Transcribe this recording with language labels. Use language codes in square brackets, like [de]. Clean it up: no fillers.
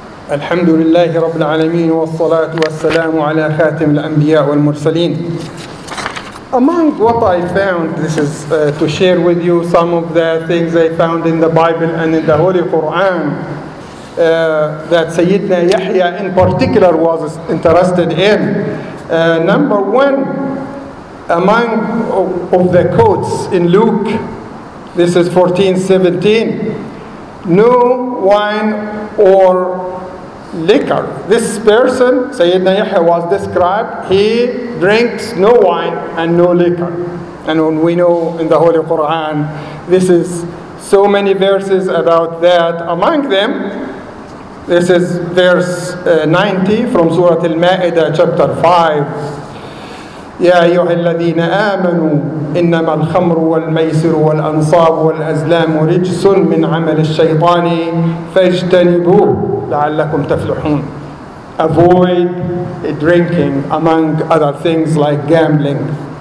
[ar] الحمد لله رب العالمين والصلاة والسلام على خاتم الأنبياء والمرسلين. [en] Among what I found, this is to share with you some of the things I found in the Bible and in the Holy Quran that Sayyidina Yahya in particular was interested in. Number one, among of the quotes in Luke, this is 14:17, no wine or liquor. This person, Sayyidina Yahya, was described, he drinks no wine and no liquor. And we know in the Holy Quran, this is so many verses about that. Among them, this is verse 90 from Surah Al-Ma'idah, chapter 5. [ar] يا أيها الذين آمنوا إنما الخمر والميسر والأنصاب والأزلام رجس من عمل الشيطان فاجتنبوه لعلكم تفلحون. [en] Avoid drinking, among other things like gambling.